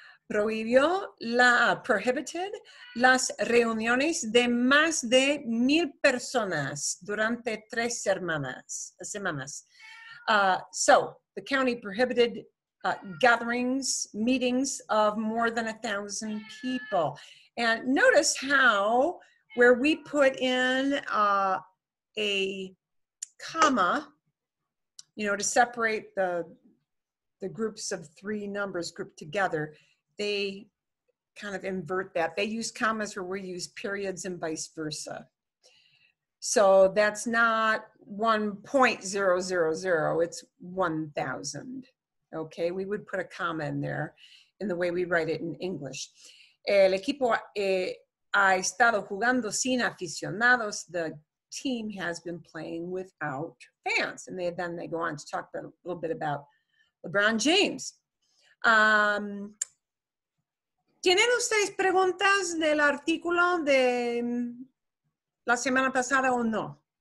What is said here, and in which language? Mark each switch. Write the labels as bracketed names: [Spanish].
[Spanish] Prohibited las reuniones de más de 1,000 personas durante tres semanas. [English] So the county prohibited gatherings, meetings of more than 1,000 people. And notice how where we put in a comma, you know, to separate the groups of three numbers grouped together, they kind of invert that. They use commas where we use periods and vice versa. So that's not 1.000, it's 1,000. Okay, we would put a comma in there in the way we write it in English. [Spanish] El equipo ha estado jugando sin aficionados. [English] The team has been playing without fans. And then they go on to talk a little bit about LeBron James. [Spanish] ¿Tienen ustedes preguntas del artículo de la semana pasada o no?